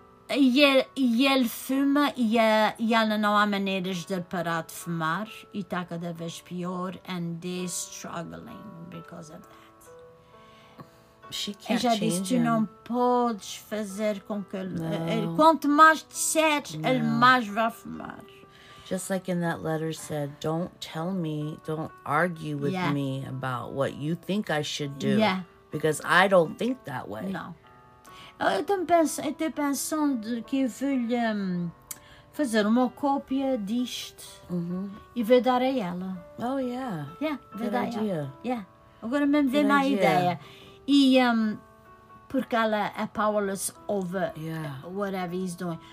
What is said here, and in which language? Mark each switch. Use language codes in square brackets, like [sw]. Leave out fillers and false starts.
[pt] E ele fuma e ela não há maneiras de parar de fumar e está cada vez pior [en] and they're struggling because of that. She can't change him. [pt] E já disse, tu não podes fazer com que ele... Quanto mais disseres, ele mais vai fumar. [en] Just like in that letter said, don't tell me, don't argue with me about what you think I should do. Yeah. Because I don't think that way. No. [pt] Eu estou pensando que eu vou fazer uma cópia disto e vou dar a ela. Oh, yeah. Yeah, vou dar a ela. Yeah. Agora mesmo vem a ideia. E porque ela é [en] powerless over whatever he's doing.